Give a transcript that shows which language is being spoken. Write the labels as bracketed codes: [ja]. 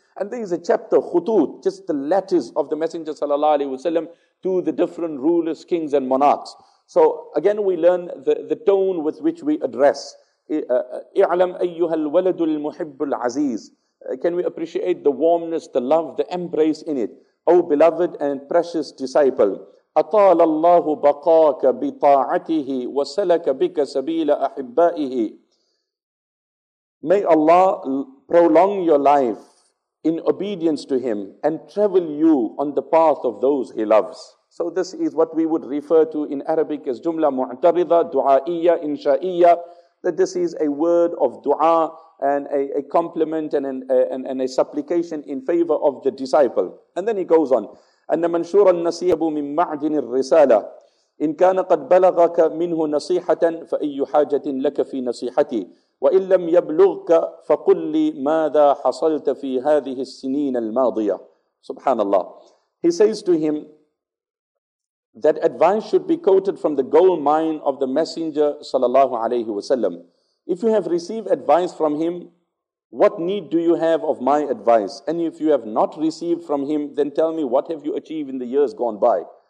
[en] And there is a chapter, khutut, just the letters of the Messenger sallallahu alaihi wasallam to the different rulers, kings and monarchs. So again, we learn the tone with which we address. [ar] اِعْلَمْ أَيُّهَا الْوَلَدُ الْمُحِبُّ الْعَزِيزِ. [en] Can we appreciate the warmness, the love, the embrace in it? O beloved and precious disciple, [ar] أَطَالَ اللَّهُ بَقَاكَ بِطَاعَتِهِ وَسَلَكَ بِكَ سَبِيلَ أَحِبَّائِهِ. [en] May Allah prolong your life in obedience to Him and travel you on the path of those He loves. So this is what we would refer to in Arabic as jumla mu'tarida, du'a'iyya, insha'iyya, that this is a word of du'a and a compliment and a supplication in favor of the disciple. And then he goes on. [ar] أن منشور النصيحة من معدن الرسالة إن كان قد بلغك منه نصيحة فأي حاجة لك في نصيحتي وإن لم يبلغك فقل لي ماذا حصلت في هذه السنين الماضية. سبحان الله. [en] He says to him that advice should be quoted from the gold mine of the Messenger sallallahu alayhi wasallam. If you have received advice from him, what need do you have of my advice? And if you have not received from him, then tell me, what have you achieved in the years gone by?